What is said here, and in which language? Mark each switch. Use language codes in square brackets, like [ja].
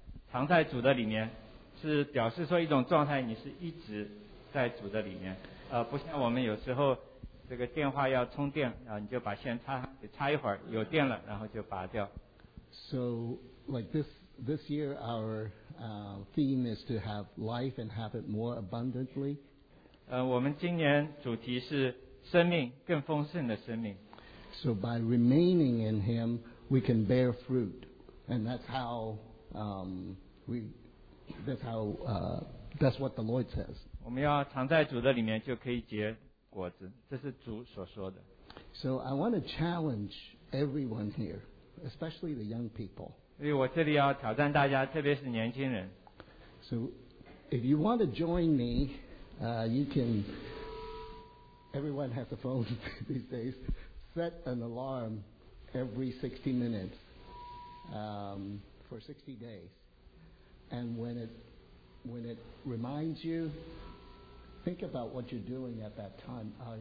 [zh] 藏在主的里面是表示说一种状态，你是一直在主的里面。不像我们有时候这个电话要充电，你就把线插一会儿，有电了然后就拔掉。 [en] So like this year ourtheme is to have life and have it more abundantly. [zh] 我们今年主题是生命，更丰盛的生命。 [en] So by remaining in him, we can bear fruit. And that's how that's what the Lord says. [zh] 我们要藏在主的里面就可以结果子，这是主所说的。 [en] So I want to challenge everyone here, especially the young people. [zh] 所以我这里要挑战大家，特别是年轻人。 [en] So if you want to join me, you can, everyone has a phone these days, set an alarm every 60 minutes, for 60 days. And when it reminds you, think about what you're doing at that time.